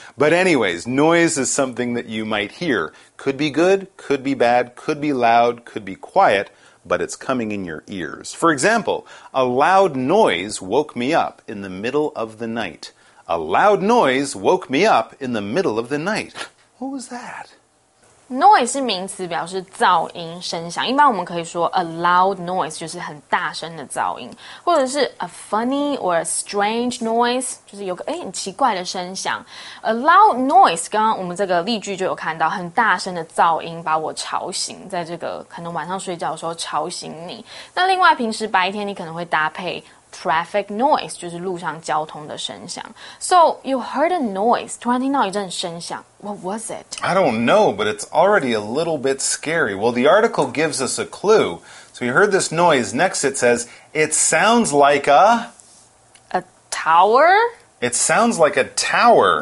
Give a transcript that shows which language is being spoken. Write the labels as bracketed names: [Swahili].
[English] But anyways, noise is something that you might hear. Could be good, could be bad, could be loud, could be quiet, but it's coming in your ears. For example, a loud noise woke me up in the middle of the night. A loud noise woke me up in the middle of the night. What was that? [Chinese] Noise 是名词，表示噪音、声响。一般我们可以说 a loud noise 就是很大声的噪音，或者是 [English] a funny or a strange noise [Chinese] 就是有个很奇怪的声响。 A loud noise 刚刚我们这个例句就有看到，很大声的噪音把我吵醒，在这个可能晚上睡觉的时候吵醒你。那另外平时白天你可能会搭配traffic noise, 就是路上交通的声响。 [English] So, you heard a noise, [Chinese] 突然听到一阵声响。 [English] What was it? I don't know, but it's already a little bit scary. Well, the article gives us a clue. So you heard this noise, next it says, it sounds like a... A tower? It sounds like a tower.